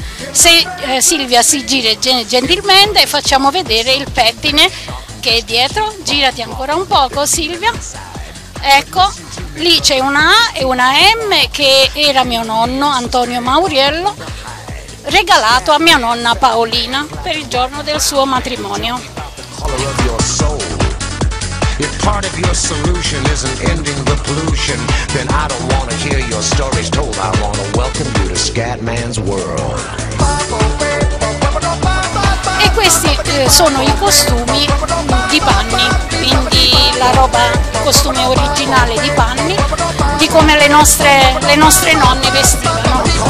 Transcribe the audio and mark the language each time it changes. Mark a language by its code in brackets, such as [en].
[it] Se Silvia si gira gentilmente, facciamo vedere il pettine che è dietro. Girati ancora un poco, Silvia. Ecco, lì c'è una A e una M che era mio nonno Antonio Mauriello, regalato a mia nonna Paolina per il giorno del suo matrimonio. [en] If part of your solution isn't ending the pollution, then I don't want to hear your stories told. I want to welcome you to Scatman's World. [it] E questi sono i costumi di Panni. quindi la roba, il costume originale di Panni, di come le nostre nonne vestivano.